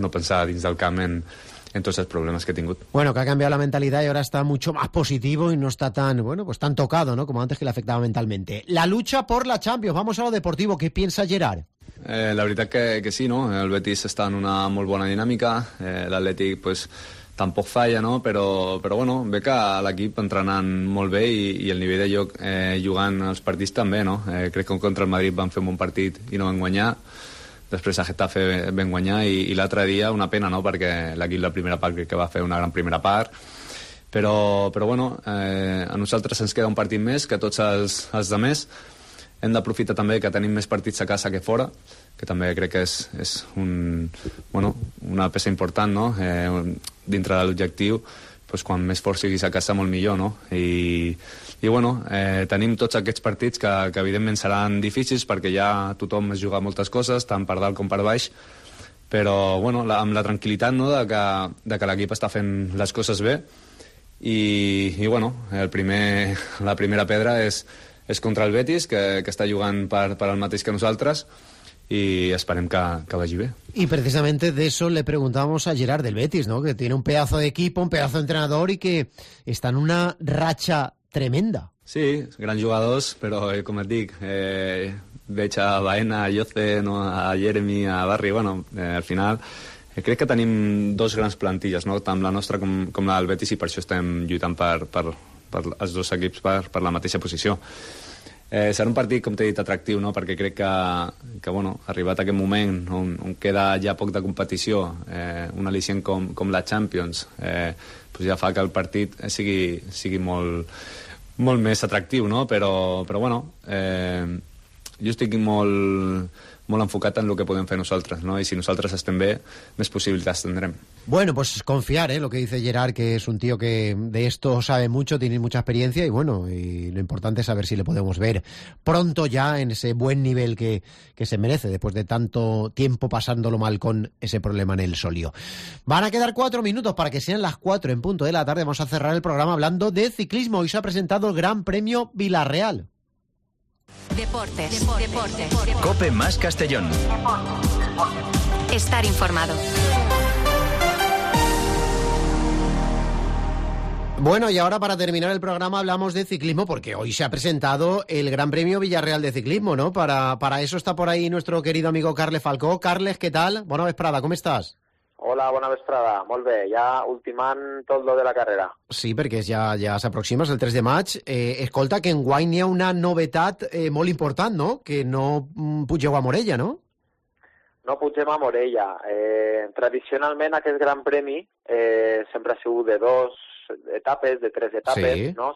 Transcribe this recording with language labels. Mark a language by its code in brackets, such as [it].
[ca] No pensar dins del camp en tots els problemes que he tingut. Bueno, que ha canviat la mentalitat i ara està [es] mucho más positivo [ca] i no està tan, bueno, pues tan tocado, ¿no?, [es] como antes que le afectaba mentalmente. La lucha por la Champions. Vamos a lo deportivo. ¿Qué piensa Gerard? [ca] La veritat que sí, ¿no? El Betis està en una molt bona dinàmica. L'Atlètic, pues, tampoc falla, ¿no? Però bueno, ve que l'equip entrenant molt bé i el nivell de joc jugant els partits també, ¿no? Crec que contra el Madrid van fer un bon partit i no van guanyar. Després a Getafe vam guanyar i l'altre dia una pena, no?, perquè l'equip de primera part crec que va fer una gran primera part, però bueno, a nosaltres ens queda un partit més que tots els altres. Hem d'aprofitar també que tenim més partits a casa que fora, que també crec que és un, bueno, una peça important, no?, dintre de l'objectiu, pues, quan més fort siguis a casa molt millor, no? I bueno, tenim tots aquests partits que evidentment seran difícils perquè ja tothom es juga moltes coses, tant per dalt com per baix, però bueno, amb la tranquil·litat, no?, de que l'equip està fent les coses bé i bueno, la primera pedra és contra el Betis, que està jugant per el mateix que nosaltres i esperem que vagi bé. [es] Y precisamente de eso le preguntábamos a Gerard del Betis, ¿no?, que tiene un pedazo de equipo, un pedazo de entrenador y que está en una racha tremenda. [ca] Sí, grans jugadors, però com et dic, veig a Baena, a Jose, no, a Jeremy, a Barry, bueno, al final crec que tenim dos grans plantilles, no, tant la nostra com la del Betis, i per això estem lluitant per els dos equips per la mateixa posició. Serà un partit, com t'he dit, atractiu, no? Perquè crec que bueno, arribat aquest moment on queda ja poc de competició, un al·licient com la Champions, pues ja fa que el partit sigui molt, molt més atractiu, no? Però bueno, jo estic molt, molt enfocat en el que podem fer nosaltres, no? I si nosaltres estem bé, més possibilitats tindrem. [es] Bueno, pues confiar, lo que dice Gerard, que es un tío que de esto sabe mucho, tiene mucha experiencia, y bueno, y lo importante es saber si le podemos ver pronto ya en ese buen nivel que se merece, después de tanto tiempo pasándolo mal con ese problema en el solio. Van a quedar 4 minutos para que sean las 4:00 de la tarde. Vamos a cerrar el programa hablando de ciclismo. Hoy se ha presentado el Gran Premio Villarreal. Deportes. COPE más Castellón. Deportes. Estar informado. Bueno, y ahora para terminar el programa hablamos de ciclismo, porque hoy se ha presentado el Gran Premio Villarreal de Ciclismo, ¿no? Para eso está por ahí nuestro querido amigo Carles Falcó. Carles, ¿qué tal? Buena vesprada, ¿cómo estás? [ca] Hola, buena vesprada. Molt bé, ja ultimant tot lo de la carrera. Sí, perquè ja s'aproxima, és el 3 de maig. Escolta, que enguany hi ha una novetat molt important, no? Que no pugeu a Morella, no? No pugem a Morella. Tradicionalment aquest Gran Premi sempre ha sigut de 2 etapes, de 3 etapes, sí. No?